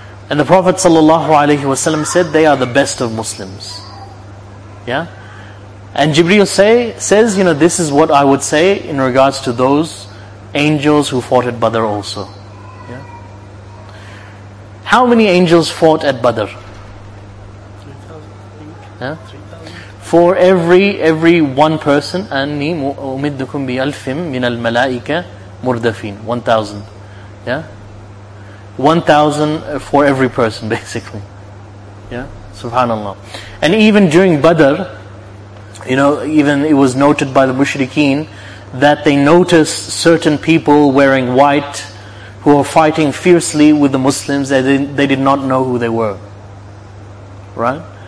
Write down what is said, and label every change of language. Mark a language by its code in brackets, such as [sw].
[en] And the Prophet sallallahu alaihi wasallam said, they are the best of Muslims. Yeah? And Jibreel says, you know, this is what I would say in regards to those angels who fought at Badr also. How many angels fought at Badr? 3,000. For every one person, [ar] أَنِّي أُمِدُّكُمْ بِأَلْفٍ مِنَ الْمَلَائِكَةِ مُرْدَفِينَ. [en] 1,000. Yeah? 1,000 for every person, basically. Yeah? SubhanAllah. And even during Badr, you know, even it was noted by the Mushrikeen that they noticed certain people wearing white who were fighting fiercely with the Muslims, they did not know who they were. right?